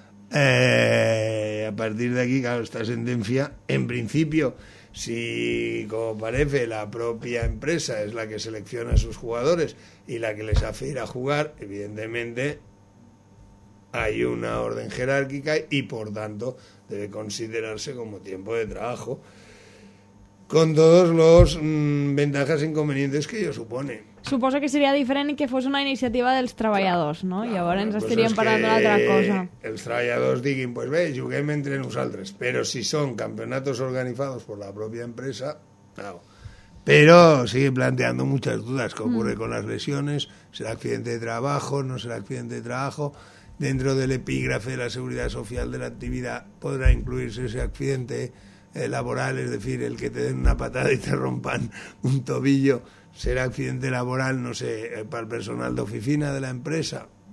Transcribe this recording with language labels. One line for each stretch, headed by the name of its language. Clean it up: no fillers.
Spanish: A partir de aquí, claro, esta sentencia, en principio, si, como parece, la propia empresa es la que selecciona a sus jugadores y la que les hace ir a jugar, evidentemente hay una orden jerárquica y, por tanto, debe considerarse como tiempo de trabajo, con todos los ventajas e inconvenientes que ello supone.
Catalan: Suposo que seria diferent que fos una iniciativa dels treballadors, clar, no? Clar, llavors ens estaríem parlant d'una altra cosa. Els treballadors diguin, pues bé, juguem entre nosaltres, però si són campionats organitzats per la pròpia empresa, claro.
Spanish: Pero sigue planteando muchas dudas. ¿Qué ocurre con las lesiones? ¿Será accidente de trabajo? ¿No será accidente de trabajo? Dentro del epígrafe de la seguridad social de la actividad, ¿podrá incluirse ese accidente laboral? Es decir, el que te den una patada y te rompan un tobillo, ¿será accidente laboral, no sé, para el personal de oficina de la empresa?